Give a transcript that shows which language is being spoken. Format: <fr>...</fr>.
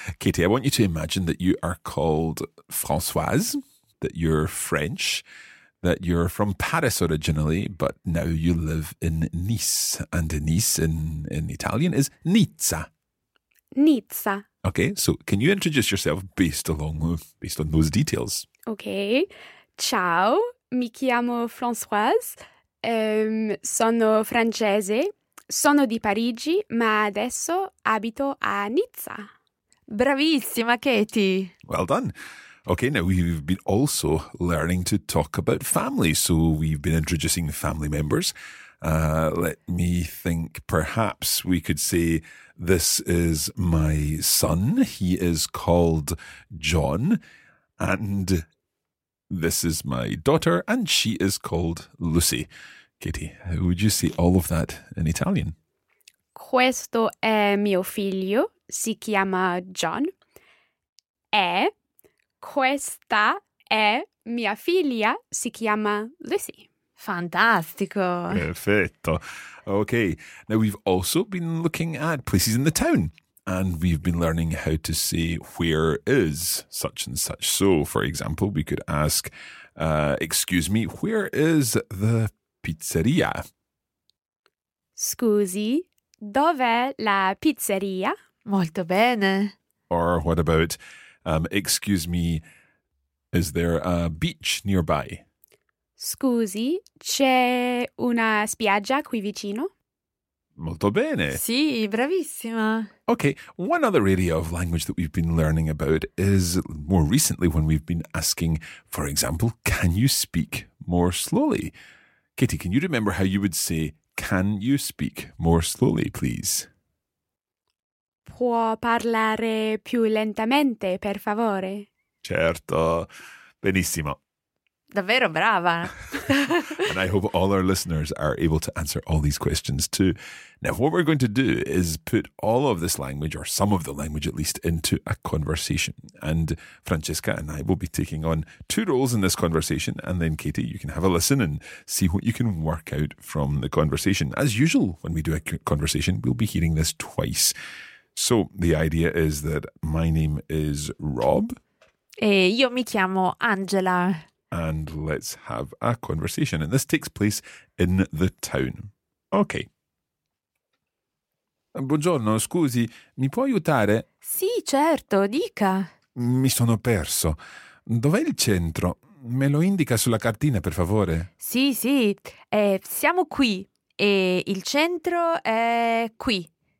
<en>Katie, I want you to imagine that you are called Françoise, that you're French, that you're from Paris originally, but now you live in Nice, and Nice in Italian is Nizza.</en> <it>Nizza.</it> <en>Okay, so can you introduce yourself based on those details?</en> <it>Okay, ciao, mi chiamo Françoise, sono francese, sono di Parigi, ma adesso abito a Nizza. Bravissima, Katie!</it> <en>Well done! Okay, now we've been also learning to talk about family, so we've been introducing family members. Let me think. Perhaps we could say, this is my son. He is called John. And this is my daughter, and she is called Lucy. Katie, how would you say all of that in Italian?</en> <it>Questo è mio figlio, si chiama John. E questa è mia figlia, si chiama Lucy. Fantastico. Perfetto.</it> <en>Okay, now we've also been looking at places in the town. And we've been learning how to say where is such and such. So, for example, we could ask, excuse me, where is the pizzeria?</en> <it>Scusi, dov'è la pizzeria? Molto bene.</it> <en>Or what about, excuse me, is there a beach nearby?</en> <it>Scusi, c'è una spiaggia qui vicino? Molto bene. Sì, bravissima.</it> <en>Okay, one other area of language that we've been learning about is more recently when we've been asking, for example, can you speak more slowly? Katie, can you remember how you would say, can you speak more slowly, please?</en> <it>Può parlare più lentamente, per favore? Certo, benissimo. Davvero brava.</it> <en>And I hope all our listeners are able to answer all these questions too. Now, what we're going to do is put all of this language, or some of the language at least, into a conversation. And Francesca and I will be taking on two roles in this conversation. And then, Katie, you can have a listen and see what you can work out from the conversation. As usual, when we do a conversation, we'll be hearing this twice. So the idea is that my name is Rob.</en> <it>E io mi chiamo Angela.</it> <en>And let's have a conversation. And this takes place in the town. Okay.</en> <it>Buongiorno, scusi, mi può aiutare? Sì, certo, dica. Mi sono perso. Dov'è il centro? Me lo indica sulla cartina, per favore. Sì, sì. Siamo qui. E il centro è qui.</it>